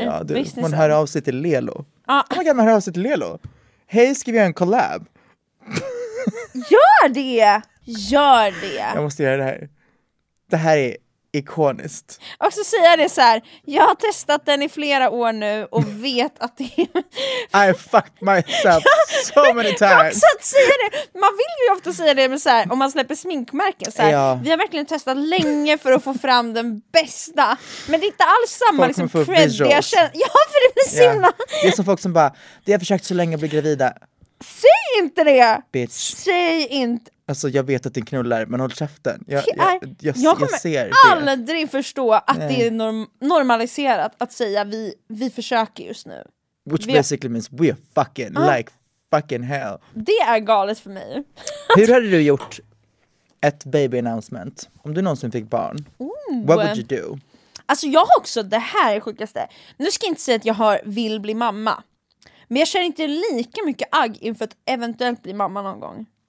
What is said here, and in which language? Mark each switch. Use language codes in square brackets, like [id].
[sv] Ja, du, man hör av sig till Lelo. Ah. [en] Oh my god, [sv] man hör av sig till Lelo. Hej, ska vi göra en collab? Gör det. Jag måste göra det här. Det här är ikoniskt. Och så säger jag det så här. Jag har testat den i flera år nu och vet att det är... [en] I fucked myself so many times. [sv] Jag har också att säga det. Man vill ju ofta säga det, men så här, om man släpper sminkmärken. Så här, ja. Vi har verkligen testat länge för att få fram den bästa. Men det är inte alls samma liksom, creddiga känsla. Ja, för det blir simma. Det är som folk som bara, det har försökt så länge att bli gravida. Säg inte det! [en] Bitch. [sv] Säg inte. Alltså jag vet att din knullar, men håll käften. Jag ser aldrig förstå att det är normaliserat att säga vi försöker just nu. [en] Which basically means we are fucking like fucking hell. [sv] Det är galet för mig. Hur hade du gjort ett [en] baby announcement [sv] om du någonsin fick barn? Ooh. [en] What would you do? [sv] Alltså jag har också, det här är sjukaste. Nu ska jag inte säga att jag vill bli mamma. Men jag känner inte lika mycket agg inför att eventuellt bli mamma någon gång.